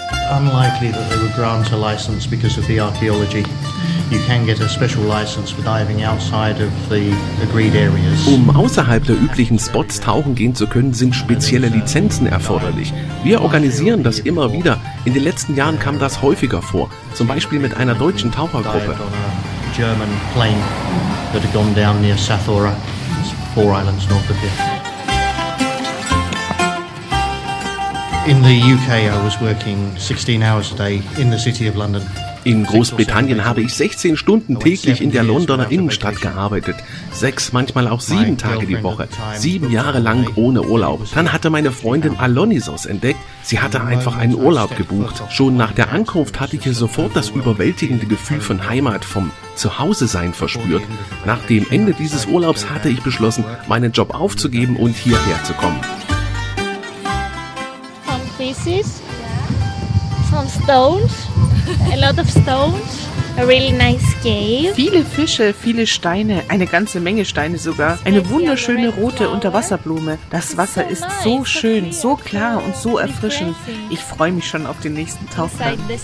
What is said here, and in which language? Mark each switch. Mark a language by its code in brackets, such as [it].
[en] Unlikely that they would grant a license because of the archaeology. You can get a special license for diving outside of the agreed areas. [de] Um außerhalb der üblichen Spots tauchen gehen zu können, sind spezielle Lizenzen erforderlich. Wir organisieren das immer wieder. In den letzten Jahren kam das häufiger vor, zum Beispiel mit einer deutschen Tauchergruppe. [en] A German plane that had gone down near Sathora, 4 islands north of here. In the UK I was working 16 hours a day in the city of London. [de] In Großbritannien habe ich 16 Stunden täglich in der Londoner Innenstadt gearbeitet. 6, manchmal auch 7 Tage die Woche. 7 Jahre lang ohne Urlaub. Dann hatte meine Freundin Alonisos entdeckt. Sie hatte einfach einen Urlaub gebucht. Schon nach der Ankunft hatte ich hier sofort das überwältigende Gefühl von Heimat, vom Zuhause-Sein verspürt. Nach dem Ende dieses Urlaubs hatte ich beschlossen, meinen Job aufzugeben und hierher zu kommen. [en] Von Pieces. Von Stones. A lot of stones, a really nice cave. [de] Viele Fische, viele Steine, eine ganze Menge Steine sogar. Eine wunderschöne rote Unterwasserblume. Das Wasser ist so schön, so klar und so erfrischend. Ich freue mich schon auf den nächsten Tauchgang.